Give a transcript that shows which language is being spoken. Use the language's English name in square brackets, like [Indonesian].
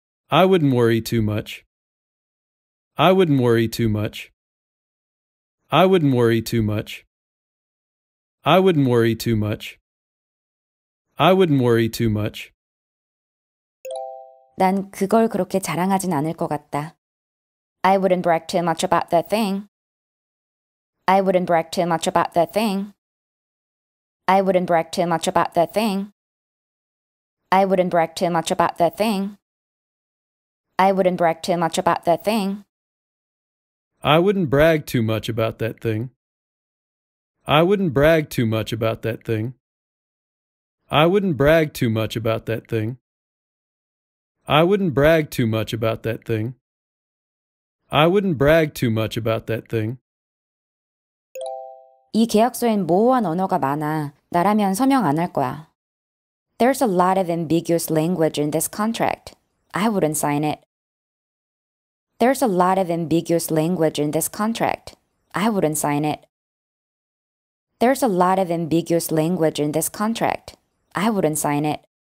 [English] I wouldn't worry too much. I wouldn't worry too much. I wouldn't worry too much. I wouldn't worry too much. I wouldn't worry too much. [Korean] 난 그걸 그렇게 자랑하진 않을 것 같다. [English] I wouldn't brag too much about that thing. I wouldn't brag too much about that thing. I wouldn't brag too much about that thing. I wouldn't brag too much about that thing. I wouldn't brag too much about that thing. I wouldn't brag too much about that thing. I wouldn't brag too much about that thing. I wouldn't brag too much about that thing. I wouldn't brag too much about that thing. I wouldn't brag too much about that thing. [Korean] 이 계약서엔 모호한 언어가 많아. 나라면 서명 안 할 거야. [English] There's a lot of ambiguous language in this contract. I wouldn't sign it. There's a lot of ambiguous language in this contract. I wouldn't sign it. There's a lot of ambiguous language in this contract. I wouldn't sign it.